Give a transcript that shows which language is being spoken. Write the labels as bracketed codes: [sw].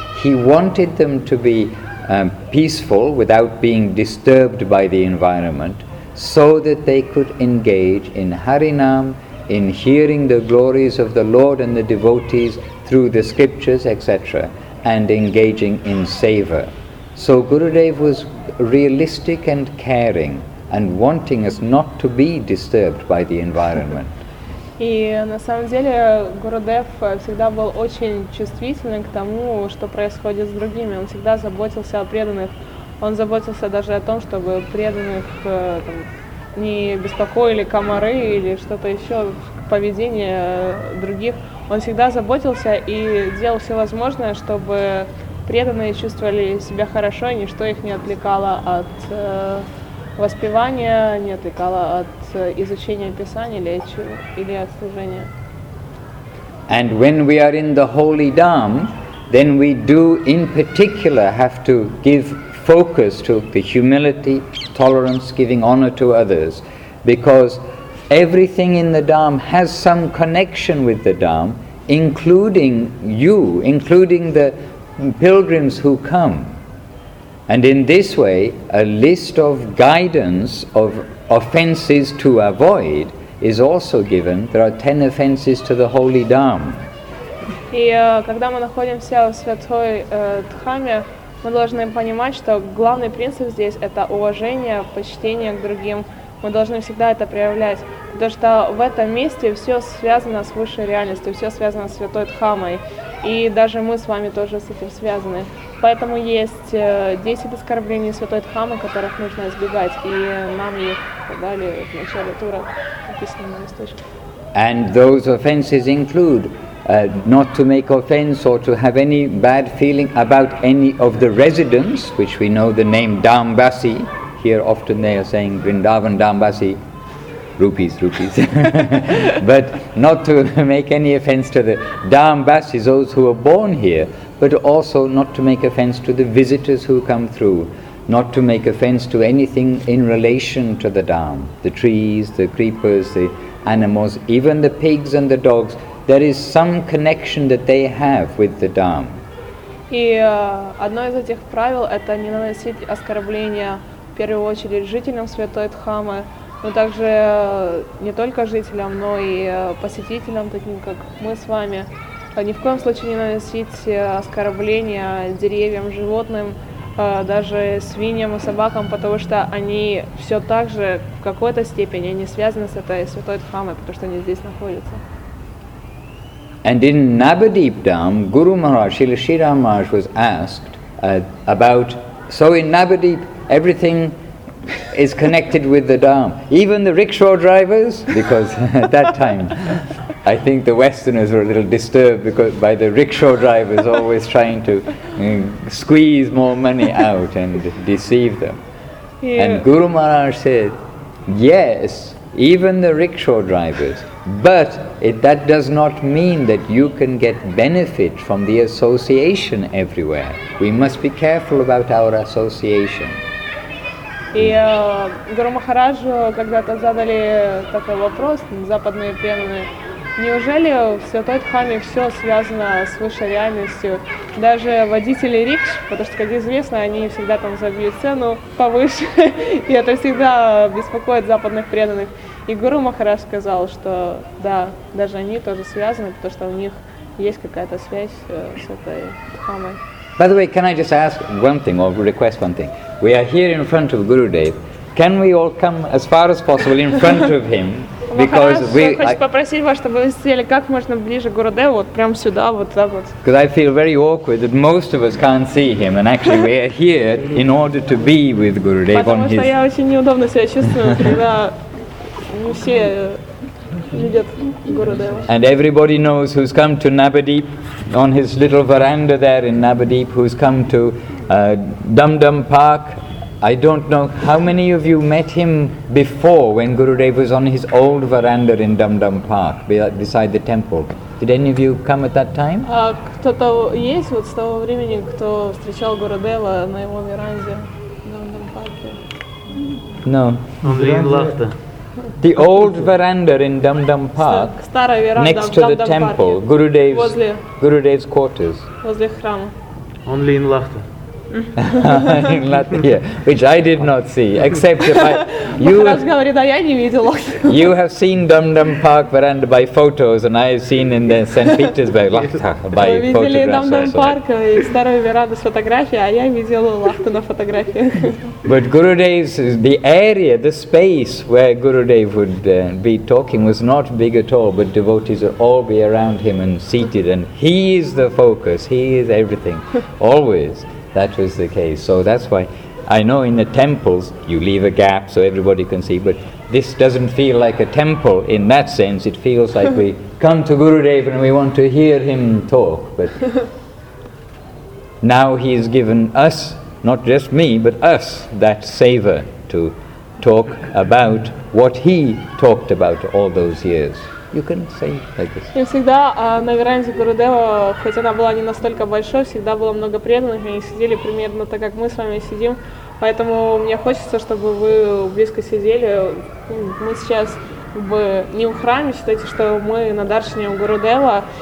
[en] He wanted them to be peaceful without being disturbed by the environment so that they could engage in Harinam, in hearing the glories of the Lord and the devotees through the scriptures, etc., and engaging in seva. So Gurudev was realistic and caring and wanting us not to be disturbed by the environment. [ru] И на самом деле Гурудев всегда был очень чувствительным к тому, что происходит с другими. Он всегда заботился о преданных. Он заботился даже о том, чтобы преданных там, не беспокоили комары или что-то еще, поведение других. Он всегда заботился и делал все возможное, чтобы преданные чувствовали себя хорошо, и ничто их не отвлекало от воспевания, не отвлекало от изучения писания или от служения. [en] And when we are in the holy dham, then we do in particular have to give focus to the humility, tolerance, giving honor to others, because everything in the dham has some connection with the dham, including you, including the pilgrims who come. And in this way, a list of guidance of offenses to avoid is also given. There are 10 offenses to the holy dham. [ru] И когда мы находимся в святой дхаме, мы должны понимать, что главный принцип здесь – это уважение, почтение к другим. Мы должны всегда это проявлять, потому что в этом месте все связано с высшей реальностью, все связано с святой дхамой, и даже мы с вами тоже с этим связаны. Поэтому есть 10 оскорблений святой дхамы, которых нужно избегать, и нам их дали в начале тура, написано на листочке. [en] And those offenses include not to make offense or to have any bad feeling about any of the residents, which we know the name Dhambasi. Here often they are saying Vrindavan Dhambasi, rupees. But not to make any offense to the Dhambasi, those who are born here, but also not to make offense to the visitors who come through, not to make offense to anything in relation to the Dham, the trees, the creepers, the animals, even the pigs and the dogs. There is some connection that they have with the Dham. [ru] И одно из этих правил – это не наносить оскорбления в первую очередь жителям святой Дхамы, но также не только жителям, но и посетителям, таким как мы с вами. Ни в коем случае не наносить оскорбления деревьям, животным, даже свиньям и собакам, потому что они все так же в какой-то степени не связаны с этой святой Дхамой, потому что они здесь находятся. [en] And in Nabadeep Dham, Guru Maharaj, Srila Shri Ram Maharaj, was asked about... So in Nabadeep, everything is connected with the Dham. Even the rickshaw drivers, because at that time, I think the Westerners were a little disturbed because by the rickshaw drivers always trying to squeeze more money out and deceive them. Yeah. And Guru Maharaj said, yes, even the rickshaw drivers, but that does not mean that you can get benefit from the association everywhere. We must be careful about our association. [ru] И Гуру Махараджу когда-то задали такой вопрос, западные преданные: неужели в Святой Дхаме все связано с высшей реальностью? Даже водители рикш, потому что, как известно, они всегда там забьют цену повыше, и это всегда беспокоит западных преданных. И Гуру Махарадж сказал, что да, даже они тоже связаны, потому что у них есть какая-то связь с этой Дхамой. [en] By the way, can I just ask one thing or request one thing? We are here in front of Gurudev. Can we all come as far as possible in front of him? Because we... [ru] Я хочу попросить вас, чтобы вы сели как можно ближе к Гурудеву, вот прямо сюда, вот так вот. [en] Because I feel very awkward that most of us can't see him, and actually we are here in order to be with Gurudev on his... [ru] Потому что я очень неудобно себя чувствую, когда не все видят Гурудева. [en] And everybody knows who's come to Nabadeep on his little veranda there in Nabadeep, who's come to Dum Dum Park. I don't know how many of you met him before when Gurudev was on his old veranda in Dum Dum Park beside the temple. Did any of you come at that time? [ru] Кто-то есть вот с того времени, кто встречал Гурудева на его веранде в [en] Dum Dum Park? No. [ru] Андрей Лахта. [en] The old veranda in Dum Dum Park, next to the temple, Gurudev's quarters. [ru] Возле храма. [en] Only in Lahta. In Lahta, yeah. Which I did not see, except if I... You have seen Dum Dum Park veranda by photos, and I have seen in the St. Petersburg Lahta by photographs. [ru] Вы видели Dum Dum Park и старую веранду с фотографией, а я видела Лахту на фотографии. [en] But Gurudev's, the area, the space where Gurudev would be talking was not big at all, but devotees would all be around him and seated, and he is the focus, he is everything, always. That was the case. So that's why I know in the temples you leave a gap so everybody can see, but this doesn't feel like a temple in that sense. It feels like we come to Gurudev and we want to hear him talk. But now he's given us, not just me, but us, that savor to talk about what he talked about all those years. You can say like this. [ru] И всегда на веранде Гурудева, хоть она была не настолько большой, всегда было много преданных, они сидели примерно так, как мы с вами сидим. Поэтому мне хочется, чтобы вы близко сидели. Мы сейчас бы не в храме, считайте, что мы на даршине у Гурудева.